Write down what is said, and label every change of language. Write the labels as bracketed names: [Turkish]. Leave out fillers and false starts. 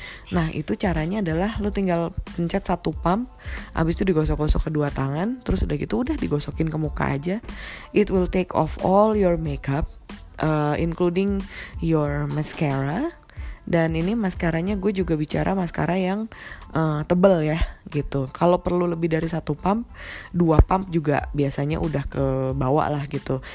[Indonesian] Nah, itu caranya adalah lu tinggal pencet satu pump, abis itu digosok-gosok kedua tangan, terus udah gitu udah digosokin ke muka aja. [English] It will take off all your makeup, including your mascara. [Indonesian] Dan ini maskaranya, gue juga bicara maskara yang tebel ya gitu. Kalau perlu lebih dari satu pump, dua pump juga biasanya udah kebawa lah gitu.